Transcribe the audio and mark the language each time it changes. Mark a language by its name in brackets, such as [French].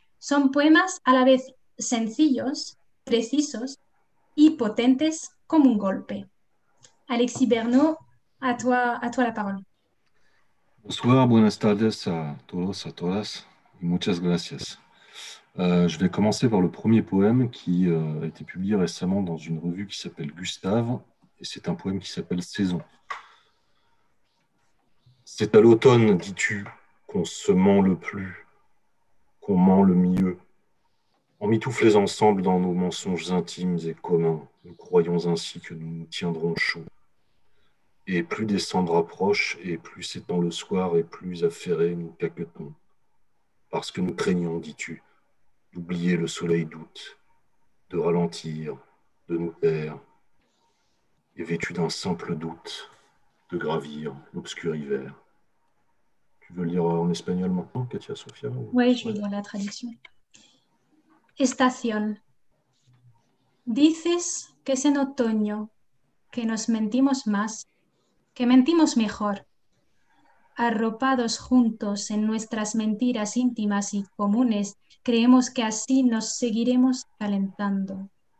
[Spanish] Son poemas a la vez sencillos, precisos y potentes como un golpe. [French] Alexis Bernot, a toi la parole. [Spanish] Bonsoir, buenas tardes a todos, a todas, y muchas gracias. [French] Je vais commencer par le premier poème qui a été publié récemment dans une revue qui s'appelle Gustave, et c'est un poème qui s'appelle Saison. C'est à l'automne, dis-tu, qu'on se ment le plus, qu'on ment le mieux. On mitoufle les ensembles dans nos mensonges intimes et communs, nous croyons ainsi que nous nous tiendrons chauds. Et plus décembre approche, et plus s'étend le soir, et plus affairés nous caquetons. Parce que nous craignons, dis-tu, d'oublier le soleil d'août, de ralentir, de nous taire, et vêtu d'un simple doute, de gravir l'obscur hiver. Tu veux lire en espagnol maintenant, Katia Sofia? Oui, je vais lire la traduction. [Spanish] Estación. Dices que es en otoño, que nos mentimos más, que mentimos mejor. Arropados juntos en nuestras mentiras íntimas y comunes, creemos que así nos seguiremos calentando.